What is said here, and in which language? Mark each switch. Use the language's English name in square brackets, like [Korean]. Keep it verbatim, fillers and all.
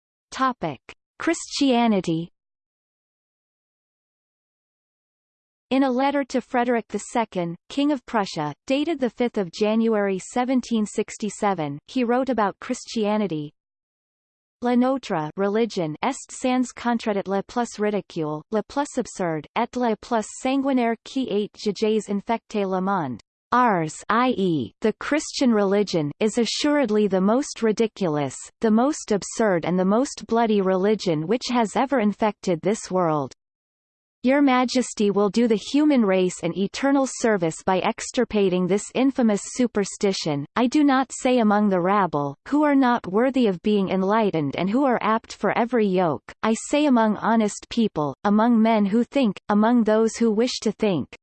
[English] Topic: Christianity. In a letter to Frederick the Second, King of Prussia, dated the fifth of January seventeen sixty-seven, he wrote about Christianity. [French] "La notre religion est sans contradit la plus ridicule, la plus absurde, et la plus sanguinaire qui ait jages infecte le monde." [English] Ours, that is, the Christian religion, is assuredly the most ridiculous, the most absurd and the most bloody religion which has ever infected this world. Your Majesty will do the human race an eternal service by extirpating this infamous superstition, I do not say among the rabble, who are not worthy of being enlightened and who are apt for every yoke, I say among honest people, among men who think, among those who wish to think.